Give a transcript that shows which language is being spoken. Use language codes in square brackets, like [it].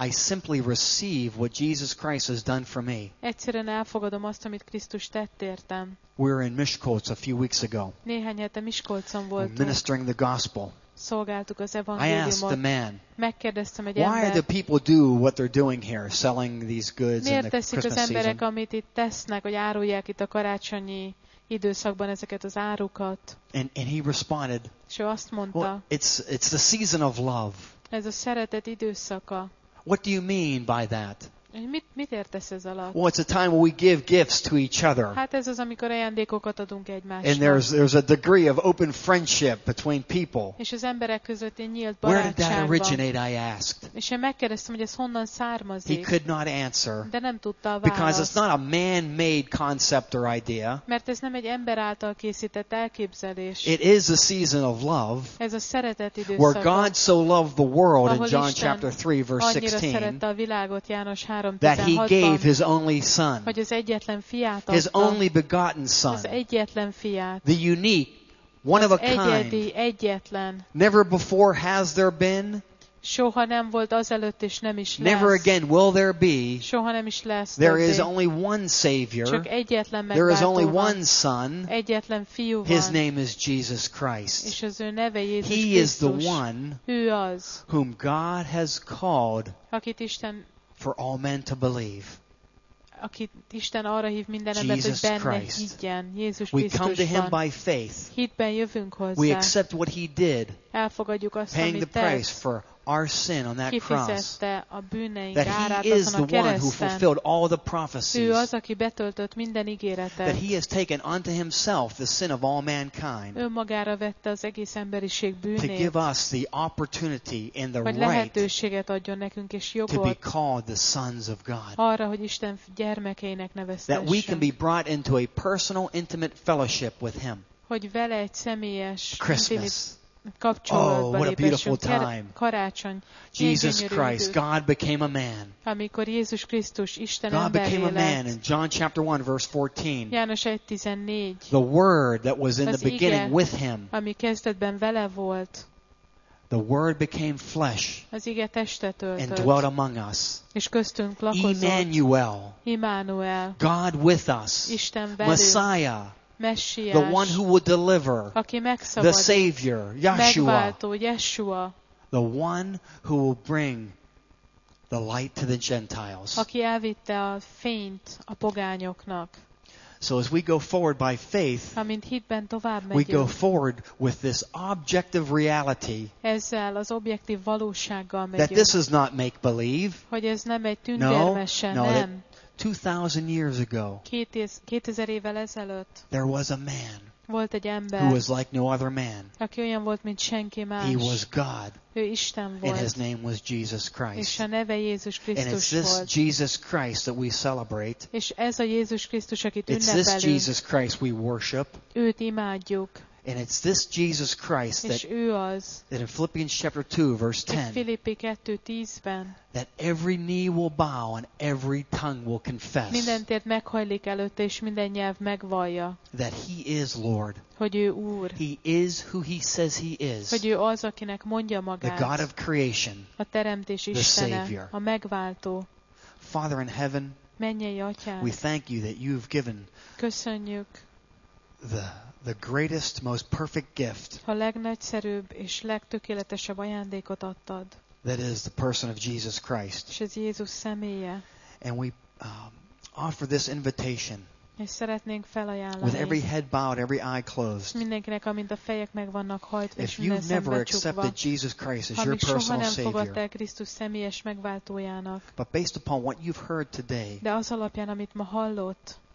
[en] I simply receive what Jesus Christ has done for me. [hu] Egyszerűen elfogadom azt, amit Krisztus tett értem. [en] We were in Miskolc a few weeks ago. [hu] Néhány hete Miskolcon voltunk. [en] Ministering the gospel. [hu] Szolgáltuk az evangéliumot. [en] I asked the man. [hu] Megkérdeztem egy [en] why [hu] embert. [en] Why do people do what they're doing here, selling these goods [hu] miért [en] in the Christmas [hu] az emberek, [en] season? [hu] Amit itt tesznek, hogy árulják itt a karácsonyi időszakban ezeket az árukat. [en] And he responded. [hu] És ő azt mondta. [en] Well, it's the season of love. [hu] Ez a szeretet időszaka. [en] What do you mean by that? [hu] Mit értesz ez alatt? [en] Well, it's a time when we give gifts to each other. [hu] Hát ez az, amikor ajándékokat adunk egymásnak. [en] And there's a degree of open friendship between people. [hu] És az emberek között egy nyílt barátság. [en] Where did that originate, I asked. [hu] És én megkérdeztem, hogy ez honnan származik. [en] He could not answer. [hu] De nem tudta a választ. [en] Because it's not a man-made concept or idea. [hu] Mert ez nem egy ember által készített elképzelés. [en] It is a season of love. [hu] Ez a szeretet időszaka. [en] Where God so loved the world in John chapter 3 verse 16. [hu] Annyira szerette a világot János 3. [en] That he gave his only son, [hu] hogy az egyetlen fiát adta, [en] his only begotten son, [hu] az egyetlen fiát, [en] the unique, one [hu] az [en] of a kind, [hu] egyedi, egyetlen, [en] never before has there been, [hu] soha nem volt azelőtt és nem is lesz, [en] never again will there be, [hu] soha nem is lesz, [en] there is only one savior, [hu] csak egyetlen megváltó, [en] there is only one son, [hu] egyetlen fiú van, [en] his name is Jesus Christ, [hu] és az ő neve Jézus Krisztus, [en] he is the one, [hu] ő az, [en] whom God has called, [hu] akit Isten [en] for all men to believe. [hu] Akit Isten arra hív minden embert, hogy benne [en] Christ. [hu] Higgyen, Jézus Krisztusban. [en] We come to him by faith. [hu] Hitben jövünk hozzá. [en] We accept what he did. [hu] Elfogadjuk azt, [en] paying the price for our sin on that cross. [hu] Kifizette a bűneink árát azon a kereszten. [en] Is the one who fulfilled all the prophecies. [hu] Ő az, aki betöltött minden ígéretet. [en] That he has taken unto himself the sin of all mankind. [hu] Ő magára vette az egész emberiség bűnét. [en] To give us the opportunity and the right. [hu] Hogy lehetőséget adjon nekünk és jogot. [en] To be called the sons of God. [hu] Arra, hogy Isten gyermekeinek nevezhessünk. [en] That we can be brought into a personal, intimate fellowship with him. [hu] Hogy vele egy személyes [en] Christmas. Oh, what a beautiful time. Jesus Christ, God became a man. [hu] Amikor Jézus Krisztus Isten [en] God became a man in John chapter 1, verse 14. [hu] János 1:14. [en] The word that was in the beginning with him. [hu] Ami kezdetben vele volt. [en] The word became flesh. [hu] Az ige testet öltött. [en] And dwelt among us. [hu] És köztünk lakozott. [en] Emmanuel. [hu] Immanuel. [en] God with us. [hu] Isten velünk. [en] Messiah. [hu] Messiás, [en] the one who would deliver, [hu] aki megszabadít, [en] the Savior, Yeshua, [hu] megváltó, Yeshua, [en] the one who will bring the light to the Gentiles, [hu] aki elvitte a fényt a pogányoknak. [en] So as we go forward by faith, [hu] amint hitben tovább megyünk, [en] we go forward with this objective reality, [hu] ezzel az objektív valósággal megyünk, [en] that this is not make-believe, [hu] hogy ez nem egy tündérmese, [en] no, [hu] nem. [en] 2000 years ago, [hu] 2000 évvel ezelőtt, [en] there was a man [hu] volt egy ember, [en] who was like no other man. [hu] Aki olyan volt, mint senki más. [en] He was God. [hu] Ő Isten volt. [en] And his name was Jesus Christ. [hu] És a neve Jézus Krisztus [en] and it's this [hu] volt. [en] Jesus Christ that we celebrate. [hu] És ez a Jézus Krisztus, akit [en] it's [hu] ünnepelünk. [en] This Jesus Christ we worship. [hu] Őt imádjuk. [en] And it's this Jesus Christ that, [hu] és ő az, [en] that in Philippians chapter 2, verse 10, [hu] Filippi 2:10-ben, [en] that every knee will bow and every tongue will confess [hu] minden tért meghajlik előtte, és minden nyelv megvallja, [en] that he is Lord. [hu] Hogy ő Úr. [en] He is who he says he is. [hu] Hogy ő az, akinek mondja magát, [en] the God of creation, [hu] a teremtés [en] the [hu] Istene, [en] Savior. [hu] A megváltó. [en] Father in heaven, [hu] mennyei atyánk, [en] we thank you that you've given [hu] köszönjük [en] the greatest, most perfect gift, [hu] a legnagyszerűbb és legtökéletesebb ajándékot adtad, [en] that is the person of Jesus Christ, [hu] és ez Jézus személye, [en] and we offer this invitation, [hu] és szeretnénk felajánlani, [en] with every head bowed, every eye closed, [hu] mindenkinek, amint a fejek meg vannak hajtva, [en] if you've never accepted Jesus Christ as your personal Savior, [hu] ha még soha nem fogadtál Krisztus személyes megváltójának, [en] but based upon what you've heard today, [hu] de az alapján, amit ma hallott,